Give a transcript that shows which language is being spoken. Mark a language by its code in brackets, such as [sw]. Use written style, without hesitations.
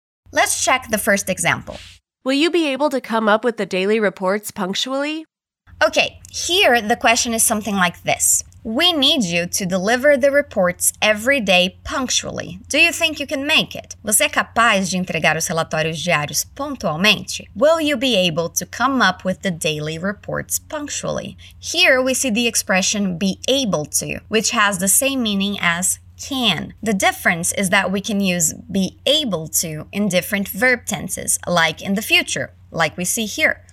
[en] Let's check the first example. Will you be able to come up with the daily reports punctually? Okay, here the question is something like this. We need you to deliver the reports every day punctually. Do you think you can make it? [pt] Você é capaz de entregar os relatórios diários pontualmente? [en] Will you be able to come up with the daily reports punctually? Here we see the expression be able to, which has the same meaning as can. The difference is that we can use be able to in different verb tenses, like in the future, like we see here.